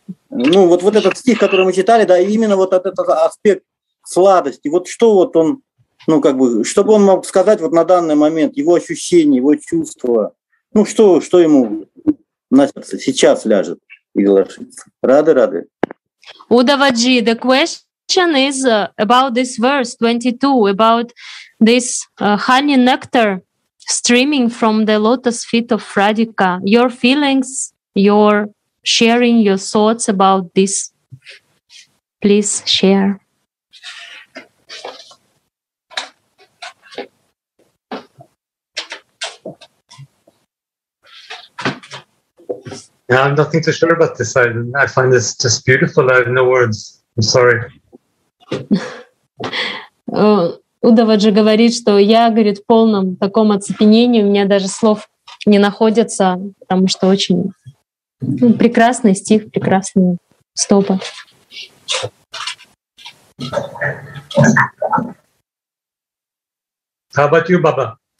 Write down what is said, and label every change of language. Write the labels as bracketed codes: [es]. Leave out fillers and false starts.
[ru] Ну, вот этот стих, который мы читали, да, именно вот этот аспект сладости. Вот что вот он... Ну, как бы, чтобы он мог сказать вот на данный момент его ощущения, его чувства. Ну, что ему на сердце сейчас ляжет и ложится. Рады. [en] Удаваджи, the question is about this verse 22, about this honey nectar streaming from the lotus feet of Radhika. Your feelings, your sharing your thoughts about this. Please share. Yeah, I'm nothing too sure about this. I find this just beautiful. I have no words. I'm sorry. [ru] Удаваджи говорит, что я, говорит, в полном таком оцепенении. У меня даже слов не находятся, потому что очень прекрасный стих, прекрасный стопа. [en] How about you, Baba?